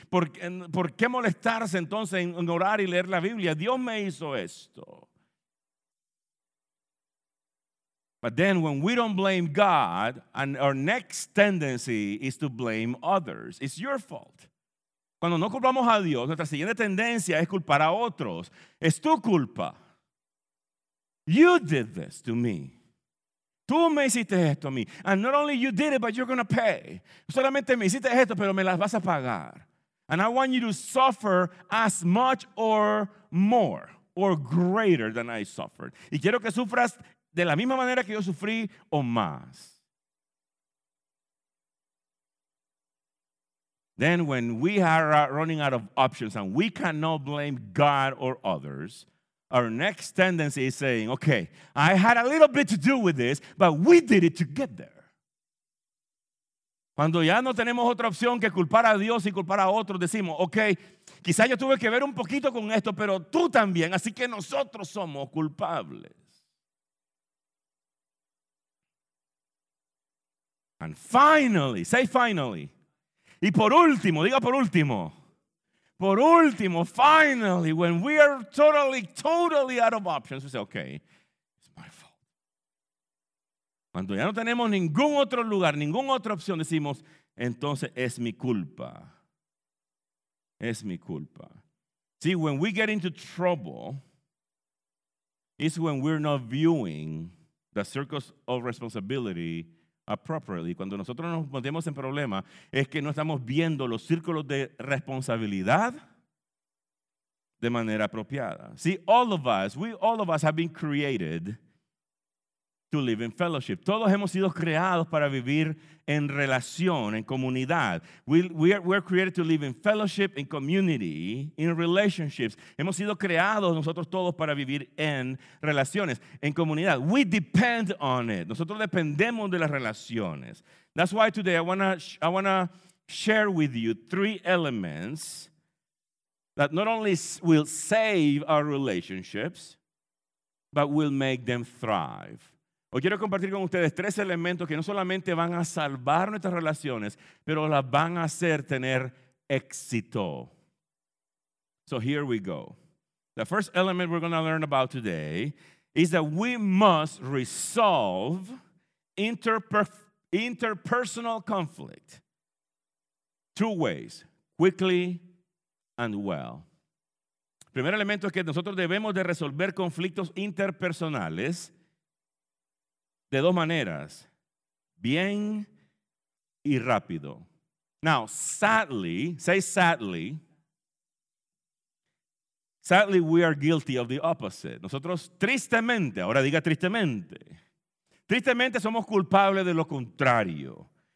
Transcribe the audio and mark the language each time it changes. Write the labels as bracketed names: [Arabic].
[Spanish] ¿Por qué molestarse entonces en orar y leer la Biblia? Dios me hizo esto. [English] But then when we don't blame God, and our next tendency is to blame others. It's your fault. [Spanish] Cuando no culpamos a Dios, nuestra siguiente tendencia es culpar a otros. Es tu culpa. [English] You did this to me. [Spanish] Tú me hiciste esto a mí. [English] And not only you did it, but you're going to pay. [Spanish] Solamente me hiciste esto, pero me las vas a pagar. [English] And I want you to suffer as much or more or greater than I suffered. [Spanish] Y quiero que sufras de la misma manera que yo sufrí o más. [English] Then when we are running out of options and we cannot blame God or others, our next tendency is saying, okay, I had a little bit to do with this, but we did it to get there. [Spanish] Cuando ya no tenemos otra opción que culpar a Dios y culpar a otros, decimos, okay, quizás yo tuve que ver un poquito con esto, pero tú también, así que nosotros somos culpables. [English] And finally, say finally. [Spanish] Y por último, diga por último. Por último, [English] finally, when we are totally, totally out of options, we say, okay, it's my fault. [Spanish] Cuando ya no tenemos ningún otro lugar, ninguna otra opción, decimos, entonces es mi culpa. Es mi culpa. [English] See, when we get into trouble, it's when we're not viewing the circles of responsibility appropriately. [Spanish] Cuando nosotros nos metemos en problema, es que no estamos viendo los círculos de responsabilidad de manera apropiada. [English] See, all of us have been created to live in fellowship. [Spanish] Todos hemos sido creados para vivir en relación, en comunidad. [English] We're created to live in fellowship, in community, in relationships. [Spanish] Hemos sido creados nosotros todos para vivir en relaciones, en comunidad. [English] We depend on it. [Spanish] Nosotros dependemos de las relaciones. [English] That's why today I wanna share with you three elements that not only will save our relationships, but will make them thrive. [Spanish] Hoy quiero compartir con ustedes tres elementos que no solamente van a salvar nuestras relaciones, pero las van a hacer tener éxito. [English] So here we go. The first element we're going to learn about today is that we must resolve interpersonal conflict two ways, quickly and well. [Spanish] El primer elemento es que nosotros debemos de resolver conflictos interpersonales de dos maneras, bien y rápido. [English] Now, sadly, we are guilty of the opposite. [Spanish] Nosotros tristemente, ahora diga tristemente somos culpables de lo contrario.